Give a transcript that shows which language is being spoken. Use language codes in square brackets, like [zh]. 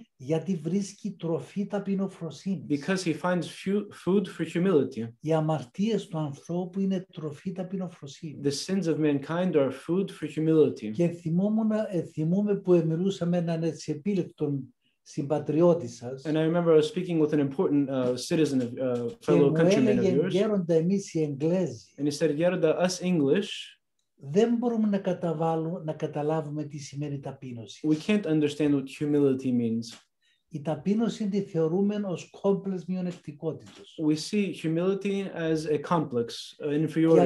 [el] γιατί βρίσκει τροφή ταπεινοφροσύνης. [en] Because he finds food for humility. [el] Οι αμαρτίες του ανθρώπου είναι τροφή ταπεινοφροσύνης. [en] The sins of mankind are food for humility. [el] Και θυμούμε που μιλούσαμε έναν έτσι επίλεκτον συμπατριώτη σας. [en] And I remember I was speaking with an important citizen, of fellow countryman of yours. [el] Γέροντα, εμείς οι Εγγλέζοι. [en] And he said, Γέροντα, us English, [el] δεν μπορούμε να καταλάβουμε τι σημαίνει ταπείνωση. [en] We can't understand what humility means. [el] Η ταπείνωση τη θεωρούμε ως κόμπλεξ μειονεκτικότητος. [en] We see humility as a complex, an inferiority complex.